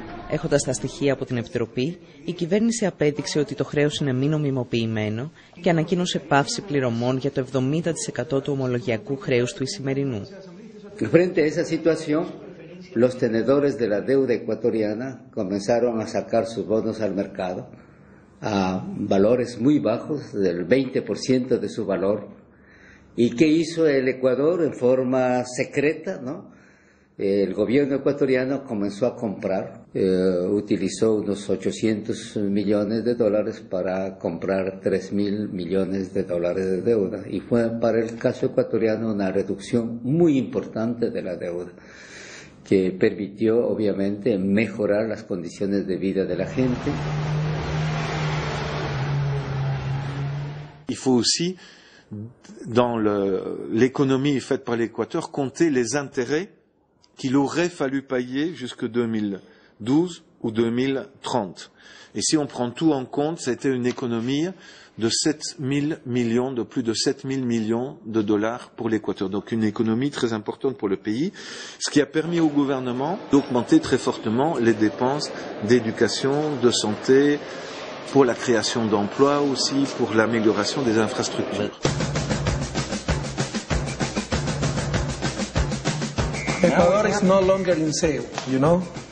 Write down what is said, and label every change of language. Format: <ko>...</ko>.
<el>Έχοντας τα στοιχεία από την Επιτροπή, η κυβέρνηση απέδειξε ότι το χρέος είναι μη νομιμοποιημένο και ανακοίνωσε παύση πληρωμών για το 70% του ομολογιακού χρέους του εισημερινού.</el> <es>Frente a esa situación, los tenedores de la deuda ecuatoriana comenzaron a sacar sus bonos al mercado a valores muy bajos, del 20% de su valor. ¿Y qué hizo el Ecuador en forma secreta, no? El gobierno ecuatoriano comenzó a comprar, utilizó unos 800 millones de dólares para comprar 3.000 millones de dólares de deuda. Y fue para el caso ecuatoriano una reducción muy importante de la deuda, que permitió, obviamente, mejorar las condiciones de vida de la gente.</es> <fr>Il faut aussi, dans l'économie faite par l'Équateur, compter les intérêts qu'il aurait fallu payer jusqu'en 2012 ou 2030. Et si on prend tout en compte, c'était une économie de 7000 millions, de plus de 7000 millions de dollars pour l'Équateur. Donc une économie très importante pour le pays, ce qui a permis au gouvernement d'augmenter très fortement les dépenses d'éducation, de santé, pour la création d'emplois aussi, pour l'amélioration des infrastructures.</fr> <en>Ecuador is no longer in sale, you know?</en>